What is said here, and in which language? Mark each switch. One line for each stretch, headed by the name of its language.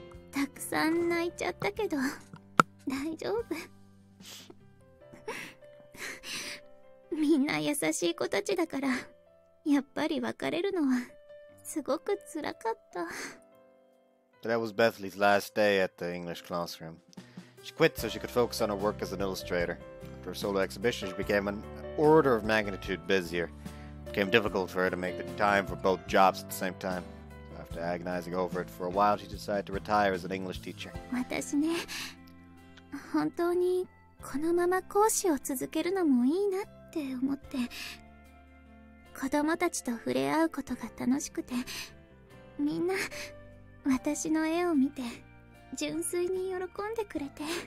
Japanese: たくさん泣いちゃったけど、大丈夫。みんな優しい子たちだから、やっぱり別れるのはすごく辛かった。
English: That was Bethly's last day at the English classroom. She quit so she could focus on her work as an illustrator. After her solo exhibition, she became an order of magnitude busier. It became difficult for her to make the time for both jobs at the same time. So after agonizing over it for a while, she decided to retire as an English teacher.
Japanese: 私ね、本当にこのまま講師を続けるのもいいなって思って、子供たちと触れ合うことが楽しくて、みんな私の絵を見て純粋に喜んでくれて。